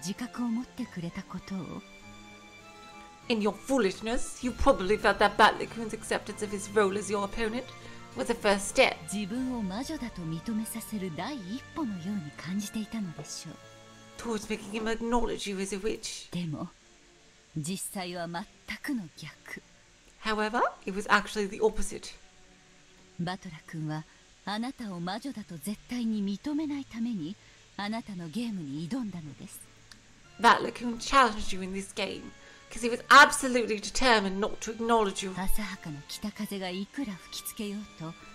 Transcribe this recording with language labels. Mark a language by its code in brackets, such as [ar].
[ja] 愚かなあなたは、バトラ君が対戦者の自覚を持ってくれたことを。 [en] In your foolishness, you probably felt that Battler-kun's acceptance of his role as your opponent was the first step. [ja] 自分を魔女だと認めさせる第一歩のように感じていたのでしょう。 [en] Towards making him acknowledge you as a witch. [ja] でも、実際は全くの逆。 [en] However, it was actually the opposite. [ja] バトラ君はあなたを魔女だと絶対に認めないために、あなたのゲームに挑んだのです。 [en] Battler-kun challenged you in this game because he was absolutely determined not to acknowledge you. [ja] 浅はかな北風がいくら吹きつけようと、